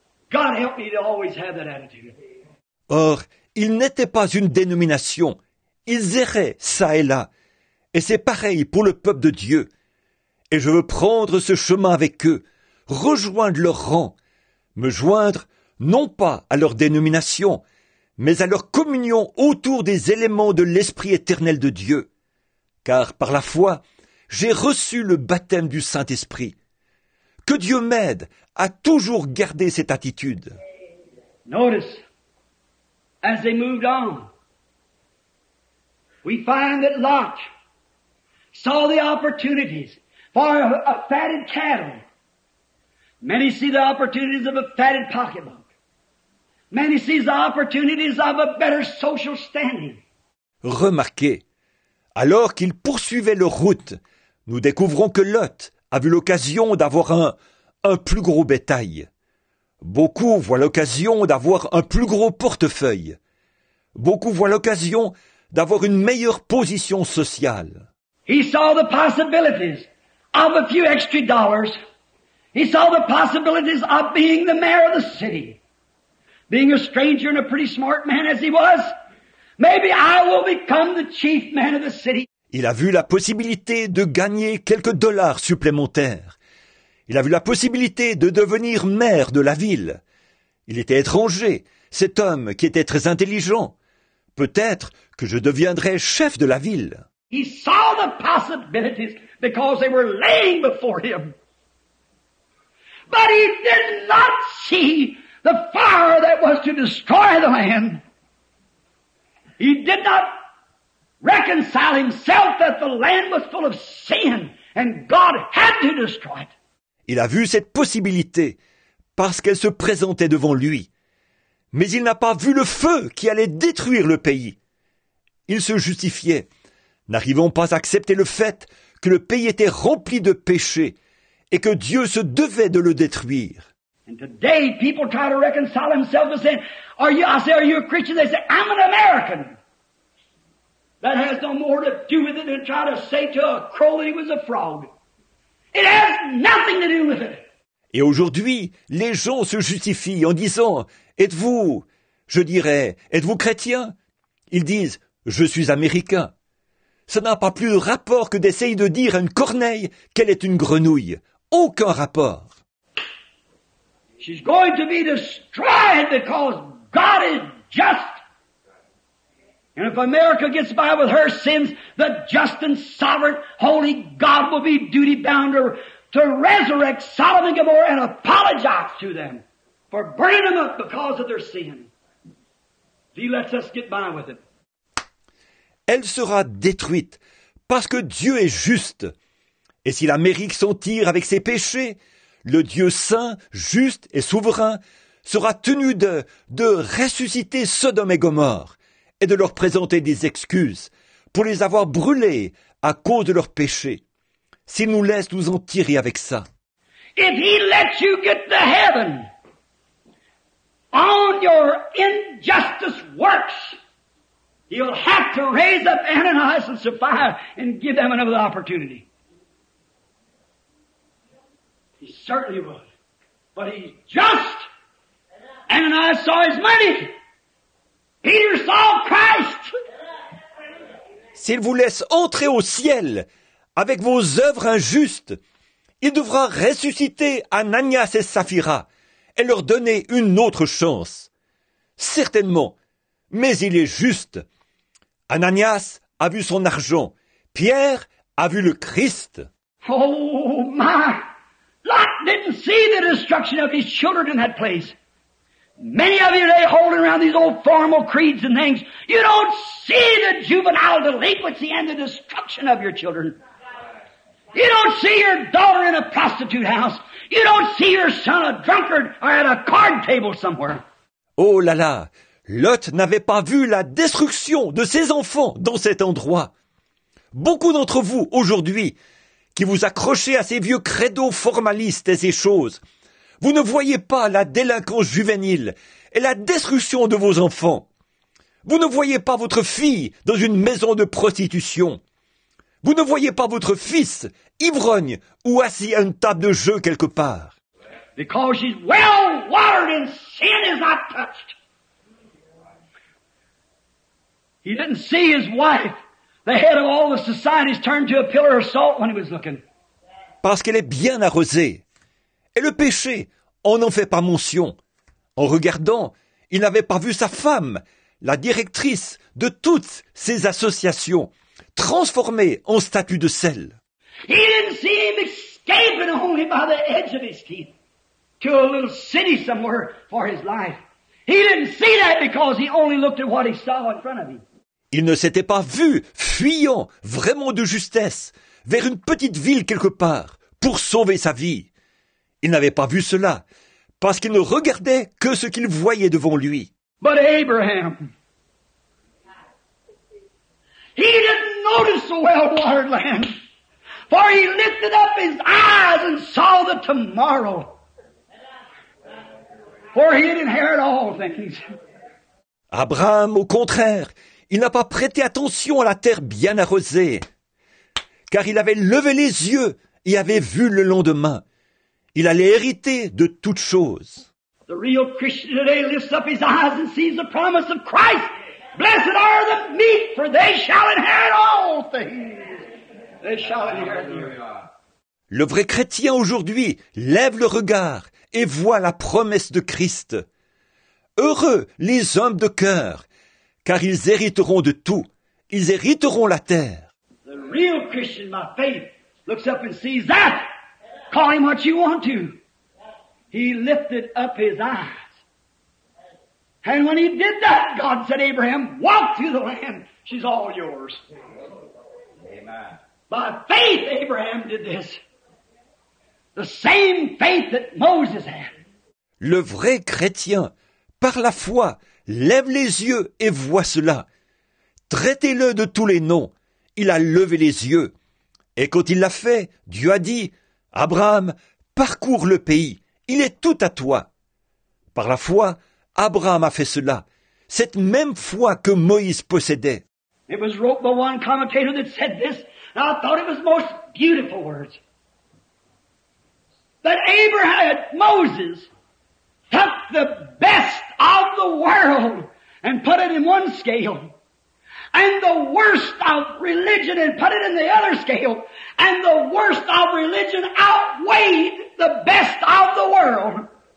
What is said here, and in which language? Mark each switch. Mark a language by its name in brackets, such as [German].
[English] God help me to always have that attitude. [French] Or, ils n'étaient pas une dénomination. Ils erraient ça et là. Et c'est pareil pour le peuple de Dieu. Et je veux prendre ce chemin avec eux, rejoindre leur rang. Me joindre, non pas à leur dénomination, mais à leur communion autour des éléments de l'Esprit éternel de Dieu. Car par la foi, j'ai reçu le baptême du Saint-Esprit. Que Dieu m'aide à toujours garder cette attitude. [English] Notice, as they moved on, we find that Lot saw the opportunities for a fatted cattle. Many see the opportunities of a fatted pocketbook. Many see the opportunities of a better social standing. [French] Remarquez, alors qu'ils poursuivaient leur route, nous découvrons que Lot a vu l'occasion d'avoir un plus gros bétail. Beaucoup voient l'occasion d'avoir un plus gros portefeuille. Beaucoup voient l'occasion d'avoir une meilleure position sociale. [English] He saw the possibilities of a few extra dollars. He saw the possibilities of being the mayor of the city. Being a stranger and a pretty smart man as he was, maybe I will become the chief man of the city. [French] Il a vu la possibilité de gagner quelques dollars supplémentaires. Il a vu la possibilité de devenir maire de la ville. Il était étranger, cet homme qui était très intelligent. Peut-être que je deviendrai chef de la ville. [English] He saw the possibilities because they were laying before him. But he did not see the fire that was to destroy the land. He did not reconcile himself that the land was full of sin and God had to destroy it. [French] Il a vu cette possibilité parce qu'elle se présentait devant lui. Mais il n'a pas vu le feu qui allait détruire le pays. Il se justifiait, n'arrivant pas à accepter le fait que le pays était rempli de péchés et que Dieu se devait de le détruire. [English] And today people try to reconcile themselves and say, are you a Christian? They say, I'm an American. That has no more to do with it than try to say to a crow that he was a frog. It has nothing to do with it. [French] Et aujourd'hui, les gens se justifient en disant, êtes-vous, je dirais, êtes-vous chrétien? Ils disent, je suis américain. Ça n'a pas plus de rapport que d'essayer de dire à une corneille qu'elle est une grenouille. Aucun rapport. [English] She's going to be destroyed because God is just. And if America gets by with her sins, the just and sovereign holy God will be duty bound to resurrect Sodom and Gomorrah and apologize to them for burning them up because of their sin. He lets us get by with it. [French] Elle sera détruite parce que Dieu est juste. Et si l'Amérique s'en tire avec ses péchés, le Dieu saint, juste et souverain sera tenu de ressusciter Sodome et Gomorre et de leur présenter des excuses pour les avoir brûlés à cause de leurs péchés. S'il nous laisse nous en tirer avec ça. [English] If he lets you get to heaven on your injustice works, he'll have to raise up Ananias and Sapphira and give them another opportunity. He certainly would. But he's just. Ananias saw his money. Peter saw Christ. [French] s'il vous laisse entrer au ciel avec vos œuvres injustes, il devra ressusciter Ananias et Saphira et leur donner une autre chance. Certainement, mais il est juste. Ananias a vu son argent. Pierre a vu le Christ. [English] Oh my! Lot didn't see the destruction of his children in that place. Many of you today holding around these old formal creeds and things, you don't see the juvenile delinquency and the destruction of your children. You don't see your daughter in a prostitute house. You don't see your son a drunkard or at a card table somewhere. [French] Oh là là, Lot n'avait pas vu la destruction de ses enfants dans cet endroit. Beaucoup d'entre vous aujourd'hui qui vous accrochez à ces vieux credos formalistes et ces choses, vous ne voyez pas la délinquance juvénile et la destruction de vos enfants. Vous ne voyez pas votre fille dans une maison de prostitution. Vous ne voyez pas votre fils ivrogne ou assis à une table de jeu quelque part. [English] Because she's well watered and sin is not touched. He didn't see his wife, the head of all the societies, turned to a pillar of salt when he was looking. [French] Parce qu'elle est bien arrosée. Et le péché, on n'en fait pas mention. En regardant, il n'avait pas vu sa femme, la directrice de toutes ces associations, transformée en statue de sel. [English] He didn't see him escaping only by the edge of his teeth to a little city somewhere for his life. He didn't see that because he only looked at what he saw in front of him. [French] Il ne s'était pas vu fuyant vraiment de justesse vers une petite ville quelque part pour sauver sa vie. Il n'avait pas vu cela parce qu'il ne regardait que ce qu'il voyait devant lui. [English] But Abraham, he didn't notice the well-watered land, for he lifted up his eyes and saw the tomorrow. For he had inherited all things. [French] Abraham, au contraire, il n'a pas prêté attention à la terre bien arrosée, car il avait levé les yeux et avait vu le lendemain. Il allait hériter de toutes choses. [English] The real Christian today lifts up his eyes and sees the promise of Christ. Blessed are the meek, for they shall inherit all things. They shall inherit the earth. [French] Le vrai chrétien aujourd'hui lève le regard et voit la promesse de Christ. Heureux les hommes de cœur, car ils hériteront de tout. Ils hériteront la terre. [English] The real Christian, by faith, looks up and sees that. Call him what you want to. He lifted up his eyes. And when he did that, God said, Abraham, walk through the land. She's all yours. Amen. By faith, Abraham did this. The same faith that Moses had. [French] Le vrai chrétien, par la foi, lève les yeux et voit cela. Traitez-le de tous les noms. Il a levé les yeux. Et quand il l'a fait, Dieu a dit, Abraham, parcours le pays. Il est tout à toi. Par la foi, Abraham a fait cela. Cette même foi que Moïse possédait. [English] It was wrote by one commentator that said this, and I thought it was the most beautiful words. That Abraham, Moses, took the best of the world and put it in one scale, and the worst of religion and put it in the other scale, and the worst of religion outweighed the best of the world.